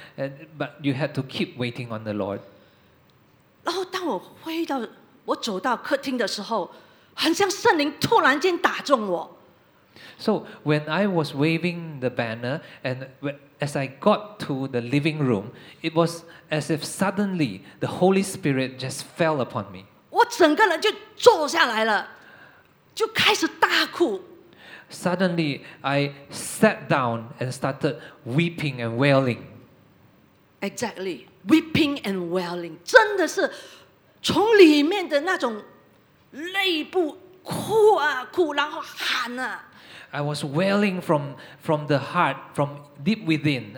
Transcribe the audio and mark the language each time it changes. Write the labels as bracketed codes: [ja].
[en] And but you had to keep waiting on the Lord. [zh] 然后当我回到我走到客厅的时候，很像圣灵突然间打中我。 [en] So when I was waving the banner, and as I got to the living room, it was as if suddenly the Holy Spirit just fell upon me. [zh] 我整个人就坐下来了，就开始大哭。 [en] Suddenly, I sat down and started weeping and wailing. Exactly, weeping and wailing. [zh] 真的是从里面的那种泪部哭啊哭，然后喊啊。 [en] I was wailing from the heart, from deep within.